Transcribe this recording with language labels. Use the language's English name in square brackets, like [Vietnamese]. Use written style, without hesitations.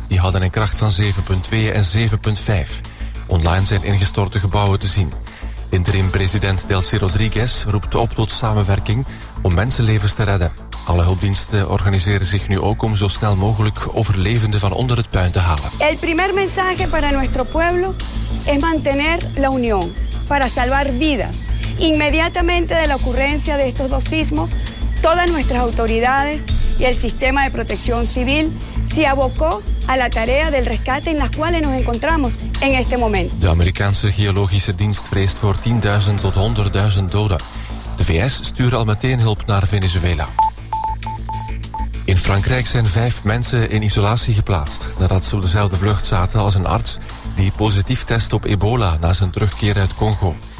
[Dutch] Die hadden een kracht van 7.2 en 7.5. Online zijn ingestorte gebouwen te zien. Interim-president Delcy Rodríguez roept op tot samenwerking om mensenlevens te redden. Alle hulpdiensten organiseren zich nu ook om zo snel mogelijk overlevenden van onder het puin te halen. [Spanish] El primer mensaje para nuestro pueblo es mantener la unión para salvar vidas. Inmediatamente de la ocurrencia de estos dos sismos, todas nuestras autoridades y el sistema de protección civil se abocó a la tarea del rescate en las cuales nos encontramos en este momento. [Dutch] De Amerikaanse geologische dienst vreest voor 10.000 tot 100.000 doden. De VS stuurt al meteen hulp naar Venezuela. In Frankrijk zijn 5 mensen in isolatie geplaatst nadat ze op dezelfde vlucht zaten als een arts die positief test op ebola na zijn terugkeer uit Congo.